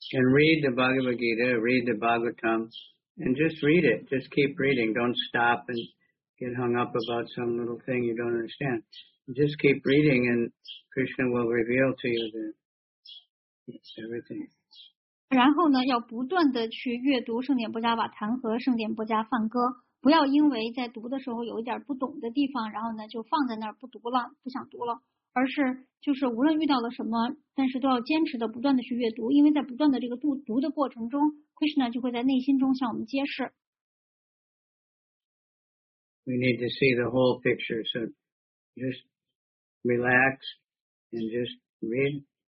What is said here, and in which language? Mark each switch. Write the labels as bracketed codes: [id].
[en] read the Bhagavad Gita, read the Bhagavatam, and just read it. Just keep reading. Don't stop and get hung up about some little thing you don't understand. Just keep reading and Krishna will reveal to you the everything. [zh] 然后呢，要不断的去阅读圣典波迦瓦坛和圣典波迦梵歌，不要因为在读的时候有一点不懂的地方，然后呢就放在那儿不读了，不想读了，而是就是无论遇到了什么，但是都要坚持的不断的去阅读，因为在不断的这个读的过程中， Krishna 就会在内心中向我们揭示。 [en] We need to see the whole picture, so just relax and just read.